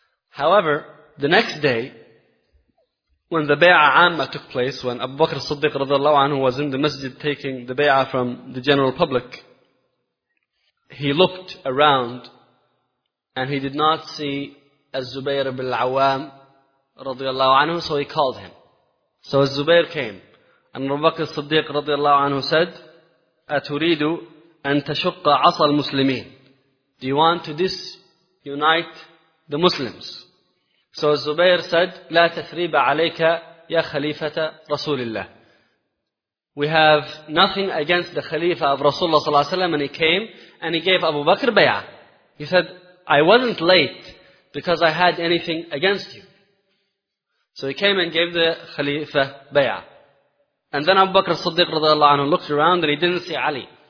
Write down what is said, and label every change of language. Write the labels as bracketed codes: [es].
[en] However, the next day, when the bay'ah amma took place, when Abu Bakr as-Siddiq radiallahu anhu was in the masjid taking the bay'ah from the general public, he looked around and he did not see Az-Zubayr ibn al-Awwam radiallahu anhu, so he called him. So Az-Zubayr came and Abu Bakr as-Siddiq radiallahu anhu said, [ar] أَتُرِيدُ أَن تَشُقَّ عَصَى الْمُسْلِمِينَ. [en] Do you want to disunite the Muslims? So Zubair said, [ar] لا تثريب عليك يا خليفة رسول الله. [en] We have nothing against the Khalifa of Rasulullah صلى الله عليه وسلم, and he came and he gave Abu Bakr bay'ah. He said, I wasn't late because I had anything against you. So he came and gave the Khalifa bay'ah. And then Abu Bakr as-Siddiq رضي الله عنه looked around and he didn't see Ali.